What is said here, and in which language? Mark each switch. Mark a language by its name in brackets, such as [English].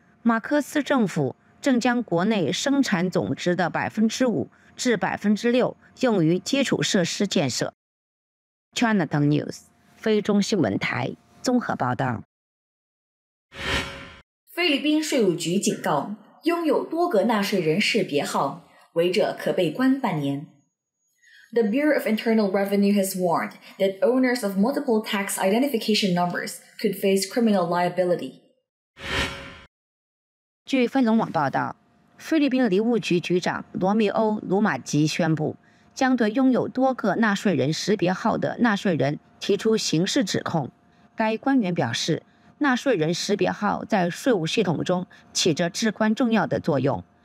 [Chinese] 马克思政府正将国内生产总值的5%至6%用于基础设施建设。 Cntv News 菲中新闻台综合报道。菲律宾税务局警告，拥有多个纳税人识别号，违者可被关半年。 [English] The Bureau of Internal Revenue has warned that owners of multiple tax identification numbers could face criminal liability. [Chinese] 据菲龙网报道，菲律宾礼物局局长罗密欧·卢马吉宣布，将对拥有多个纳税人识别号的纳税人提出刑事指控。该官员表示，纳税人识别号在税务系统中起着至关重要的作用。